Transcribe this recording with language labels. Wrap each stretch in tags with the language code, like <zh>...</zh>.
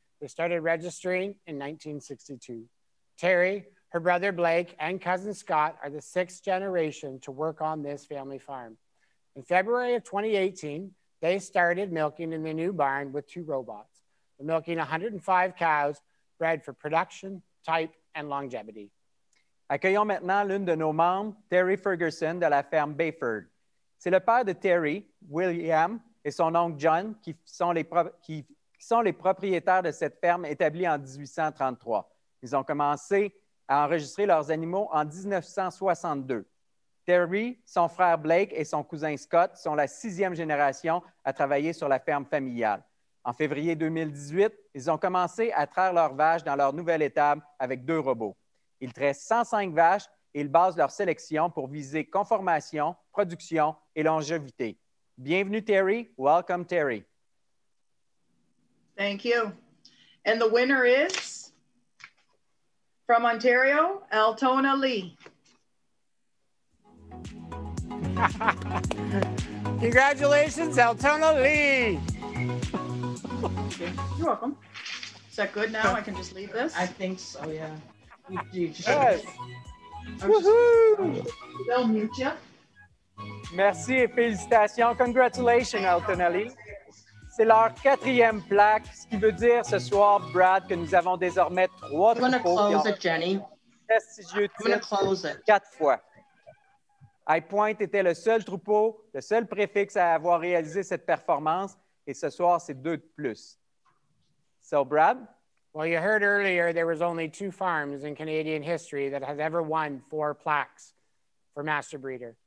<en>They started registering in 1962. Terry, her brother Blake, and cousin Scott are the sixth generation to work on this family farm. In February of 2018, they started milking in the new barn with two robots. They're milking 105 cows, bred for production, type, and longevity.</en> <fr>Accueillons maintenant l'une de nos membres, Terry Ferguson, de la ferme Bayford. C'est le père de Terry, William, et son oncle John qui sont les propriétaires de cette ferme établie en 1833. Ils ont commencé à enregistrer leurs animaux en 1962. Terry, son frère Blake et son cousin Scott sont la sixième génération à travailler sur la ferme familiale. En février 2018, ils ont commencé à traire leurs vaches dans leur nouvelle étable avec deux robots. Ils traient 105 vaches et ils basent leur sélection pour viser conformation, production et longévité. Bienvenue, Terry.</fr> <en>Welcome, Terry. Thank you. And the winner is, from Ontario, Altona Lee. Congratulations, Altona Lee. You're welcome. Is that good now? I can just leave this? I think so, yeah. Yes. Woohoo! They'll mute you.</en> <fr>Merci et félicitations.</fr> <en>Congratulations, Altona Lee.</en> <fr>C'est leur quatrième plaque, ce qui veut dire ce soir, Brad, que nous avons désormais trois trophées.</fr> <en>I'm going to close it, Jenny.</en> <fr>Prestigieux titre.</fr> <en>I'm going to close it.</en> <fr>Quatre fois. High Point était le seul troupeau, le seul préfixe à avoir réalisé cette performance, et ce soir, c'est deux de plus.</fr> <en>So, Brad? Well, you heard earlier there was only two farms in Canadian history that have ever won four plaques for Master Breeder.</en>